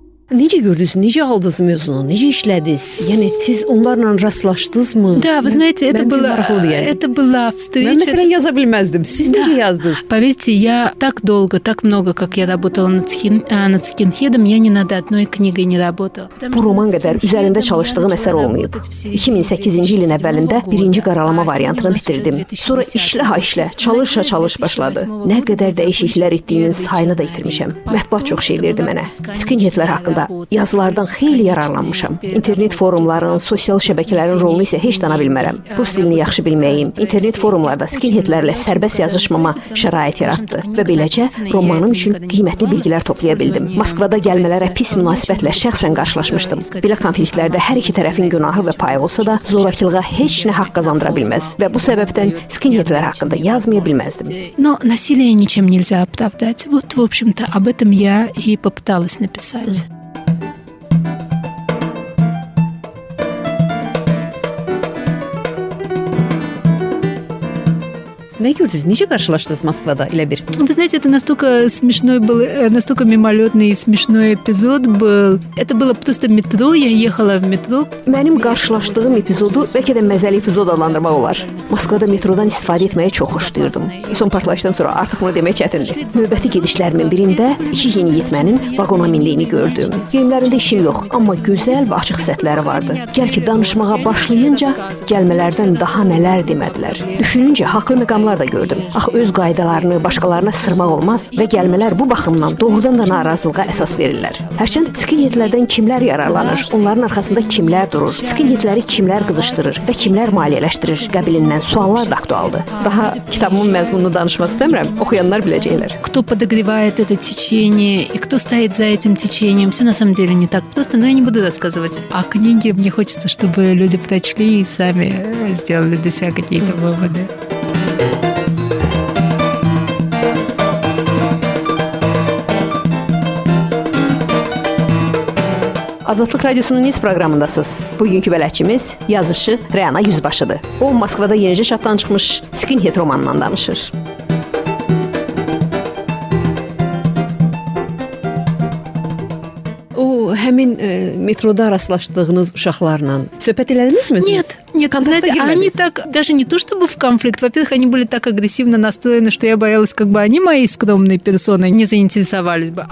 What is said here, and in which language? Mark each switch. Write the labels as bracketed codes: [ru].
[az] Necə gördünüz, necə aldınız mövzunu, necə işlədiniz? Yəni, siz onlarla rastlaşdınızmı? [ru] Да, вы знаете, это было... Это была встреча... [az] Мən, məsələn, yaza bilməzdim. Siz necə yazdınız? [ru] Поверьте, я так долго, так много, как я работала над скинхедом, я ни над одной книгой не работала. [az] Bu roman qədər üzərində çalışdığım əsər olmayıb. 2008-ci ilin əvvəlində birinci qaralama variantını bitirdim. Sonra işlə-işlə, çalış-çalış başladı. Nə qədər dəyişikliklər etdiyinin sayını da itirmişəm. Mətbuat çox şey verdi mənə. Skinhedlər haqqında yazılardan xeyli yararlanmışam. İnternet forumların, sosial şəbəkələrin rolunu isə heç dana bilmərəm. Rus dilini yaxşı bilməyim, internet forumlarda skinhedlərlə sərbəst yazışmama şərait yaratdı və beləcə romanım üçün qiymətli bilgilər toplaya bildim. Moskvada gəlmələrə pis münasibətlə şəxsən qarşılaşmışdım. Belə konfliktlərdə hər iki tərəfin günahı və payı olsa da zorakılığa heç nə haqq qazandıra bilməz və bu səbəbdən skinhedlər haqqında yazmaya bilməzdim. [ru] Но насилие ничем нельзя оправдать. Вот, в общем-то, об этом я и попыталась написать. [az] Nə gördünüz? Necə qarşılaşdınız Moskvada ilə bir? [ru] Вы знаете, это настолько смешной был, настолько мимолётный и смешной эпизод был. Это было просто метро, я ехала в метро. [az] Mənim qarşılaşdığım epizodu bəlkə də məzəli epizod adlandırmaq olar. Moskvada metrodan istifadə etməyi çox xoşlayırdım. Son partlayışdan sonra artıq bunu demək çətindir. Növbəti gedişlərimin birində iki yeni yetmənin vaqona mindiyini gördüm. Yerlərində işim yox, amma gözəl və açıq sifətləri vardı. Gəl ki, danışmağa başlayınca gəlmələrdən daha nələr demədilər. Düşününcə haqlı qamlar da gördüm. Axı öz qaydalarını başqalarına sırmaq olmaz və gəlmələr bu baxımdan doğrudan da narazılığa əsas verirlər. Hərçənd skinhedlərdən kimlər yararlanır, onların arxasında kimlər durur, skinhedləri kimlər qızışdırır və kimlər maliyyələşdirir qəbilindən suallar da aktualdır. Daha kitabımın məzmununu danışmaq istəmirəm, oxuyanlar biləcəklər. [ru] Кто подогревает это течение и кто стоит за этим течением? Всё на самом деле не так просто, но я не буду рассказывать. А книги мне хочется, чтобы люди прочли и сами сделали для себя какие-то выводы. [az] Azadlıq Radiosunun news proqramındasınız. Bugünkü bələdçimiz yazışı Rəna Yüzbaşıdır. O, Moskvada yenicə çapdan çıxmış Skinhead romanından danışır. O, həmin metroda rastlaşdığınız uşaqlarla söhbət elədinizmi özünüz? [ru] Нет. Нет, знаете, они так, даже не то чтобы в конфликт, во-первых, они были так агрессивно настроены, что я боялась, как бы они моей скромной персоной не заинтересовались бы.